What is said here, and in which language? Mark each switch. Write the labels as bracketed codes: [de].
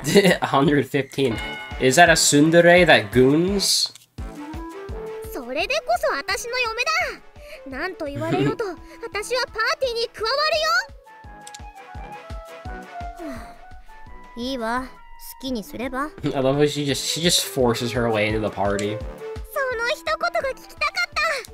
[en] 115. Is that a sundere that goons? [ja] それでこそ私の嫁だ。何と言われようと私はパーティーに加わるよ。いいわ、好きにすれば。 [en] I love how she just forces her way into the party. [ja] その一言が聞きたかった。